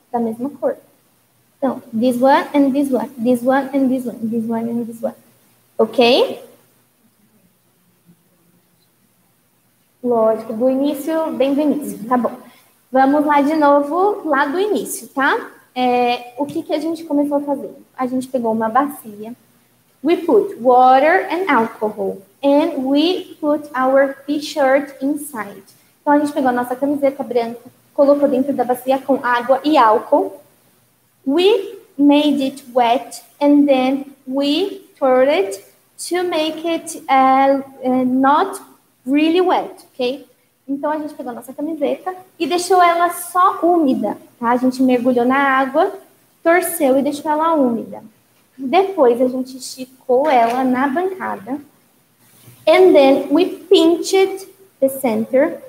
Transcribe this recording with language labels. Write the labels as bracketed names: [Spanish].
[Portuguese] Da mesma cor. Então, [English] this one and this one. This one and this one. This one and this one. Ok? [Portuguese] Lógico, do início, bem do início. Tá bom. Vamos lá de novo, lá do início, tá? O que a gente começou a fazer? A gente pegou uma bacia. [English] We put water and alcohol. And we put our t-shirt inside. [Portuguese] Então, a gente pegou a nossa camiseta branca, colocou dentro da bacia com água e álcool. [English] We made it wet and then we turned it to make it not really wet, ok? [Portuguese] Então, a gente pegou a nossa camiseta e deixou ela só úmida, tá? A gente mergulhou na água, torceu e deixou ela úmida. Depois, a gente esticou ela na bancada. [English] And then we pinched the center.